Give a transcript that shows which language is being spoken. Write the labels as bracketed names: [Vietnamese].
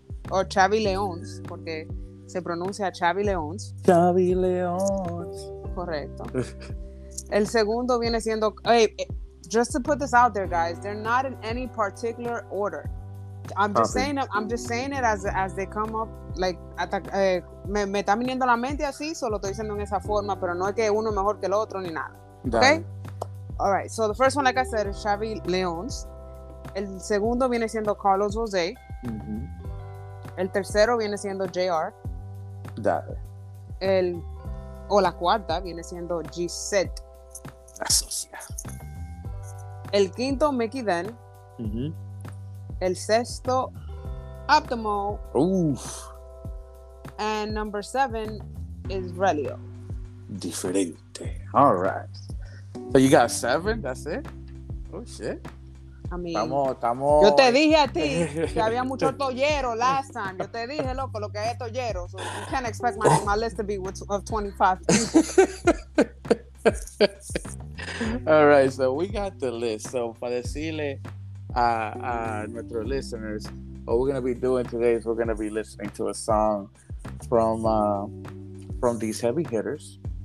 [Spanish] Or Chavy Leons, porque se pronuncia Chavy Leons. Chavy Leons. Correcto. El segundo viene siendo. [English] Hey, just to put this out there, guys, they're not in any particular order. I'm just saying it as they come up. [Spanish] Like, me está viniendo la mente así, solo estoy diciendo en esa forma, pero no es que uno mejor que el otro ni nada. [English] Okay. Damn. All right. So the first one, like I said, is Chavy Leons. [Spanish] El segundo viene siendo Carlos Jose. Mm-hmm. El tercero viene siendo JR. Dale. La cuarta viene siendo Gisette. La socia. El quinto, Mickey Den. Mm-hmm. El sexto, Optimo. Uf. [English] And number seven is Relio. Diferente. All right. So you got seven, that's it? Oh, shit. I mean, [Spanish] estamos. Yo te dije a ti que había mucho toyero [English] last time. [Spanish] Yo te dije, loco, lo que es toyero. [English] So you can't expect my list to be of 25 people. All right, so we got the list. So [Spanish] para decirle a nuestros [English] listeners, what we're going to be doing today is we're going to be listening to a song from these heavy hitters.